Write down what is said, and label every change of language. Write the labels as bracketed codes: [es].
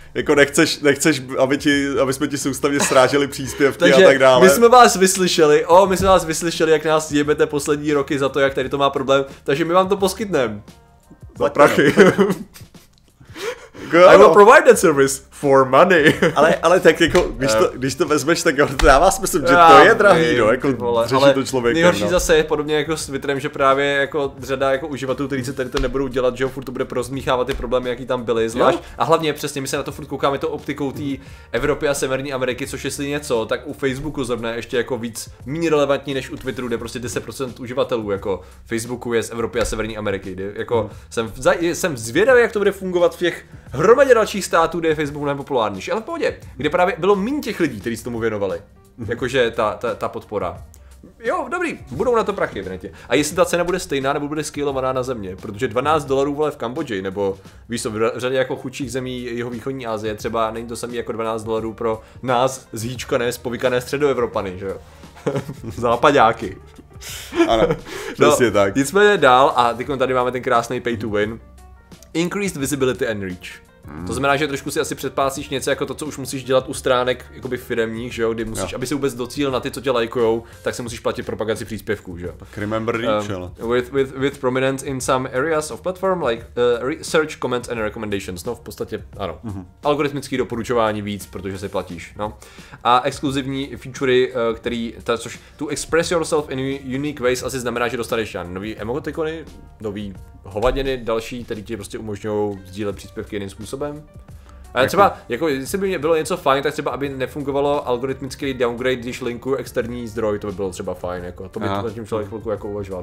[cs] Jako nechceš aby jsme ti soustavně strážili příspěvky a tak dále. My jsme vás vyslyšeli, my jsme vás vyslyšeli, jak nás jebete poslední roky za to, jak tady to má problém, takže my vám to poskytneme. Za prachy. [en] I will provide that service for money. [cs] ale tak jako, když to vezmeš, tak jo, to dává smysl, že to je drahý, no, jako řeší to člověk. Nejhorší zase je podobně jako s Twitterem, že právě jako řada jako uživatelů, kteří se tady to nebudou dělat, že jo, furt to bude rozmíchávat ty problémy, jaký tam byly, zvlášť. Jo? A hlavně přesně, my se na to furt koukáme to optikou té Evropy a Severní Ameriky, což jestli něco, tak u Facebooku zrovna ještě jako víc méně relevantní než u Twitteru, kde prostě 10% uživatelů jako Facebooku je z Evropy a Severní Ameriky. Jako jsem zvědavý, jak to bude fungovat v těch hromadě dalších států, kde je Facebook nejpopulárnější, ale v pohodě, kde právě bylo míň těch lidí, kteří se tomu věnovali, jakože ta podpora. Jo, dobrý, budou na to prachy v netě. A jestli ta cena bude stejná, nebo bude skalovaná na země, protože $12 vole v Kambodži, nebo víš co, v řadě jako chudších zemí jihovýchodní Asie, třeba není to samý jako $12 pro nás zhýčkané, spovykané středoevropany, že jo? Západňáky. Ano, přesně no, tak. Nicméně dál, a tady máme ten krásný [en] pay to win. Increased visibility and reach. [cs] To znamená, že trošku si asi předpásíš něco jako to, co už musíš dělat u stránek jakoby firemních, že jo, kdy musíš, aby si vůbec docílil na ty, co tě lajkujou, tak si musíš platit propagaci příspěvků, že jo. Tak [en] remember reach, With prominence in some areas of platform, like research, comments and recommendations, [cs] no v podstatě, ano. Mm-hmm. Algoritmický doporučování víc, protože si platíš, no. A exkluzivní featurey, což to [en] express yourself in unique ways [cs] asi znamená, že dostaneš nový emotikony, nový hovadiny, další, který ti prostě umožňujou sdílet příspěvky jiným způsobem. A třeba, jako, jestli by bylo něco fajn, tak třeba, aby nefungovalo algoritmický downgrade, když linkuju externí zdroj, to by bylo třeba fajn, jako, to by to tím člověk chvilku jako uvažoval.